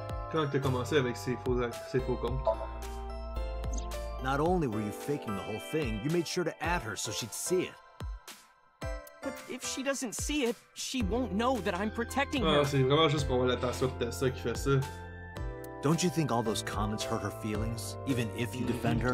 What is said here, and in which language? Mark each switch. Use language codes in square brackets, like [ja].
[fr] Quand t'as commencé avec ces faux comptes? [en] Not only were you faking the whole thing, you made sure to add her so she'd see it. But If she doesn't see it, she won't know that I'm protecting her. [fr] Ah, c'est vraiment juste pour avoir l'attention de Tessa qui fait ça. [en] Don't you think all those comments hurt her feelings, even if you defend her?